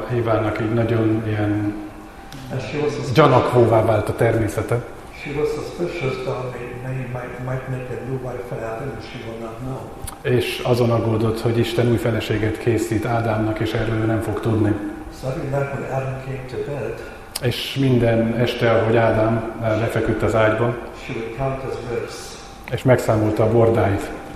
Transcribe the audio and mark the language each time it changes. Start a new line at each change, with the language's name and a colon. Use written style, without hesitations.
Hungarian: Évának így nagyon ilyen gyanakvóvá vált a természete.
English: She was suspicious that they might make a new wife for Adam, and she will not know.
Hungarian: És azon aggódott, hogy Isten új feleséget készít Ádámnak, és erről nem fog tudni.
English: So every night when Adam came to bed,
Hungarian: és minden este, ahogy Ádám lefeküdt az ágyba,
English: she would count his ribs.
Hungarian: És megszámolta a bordáit.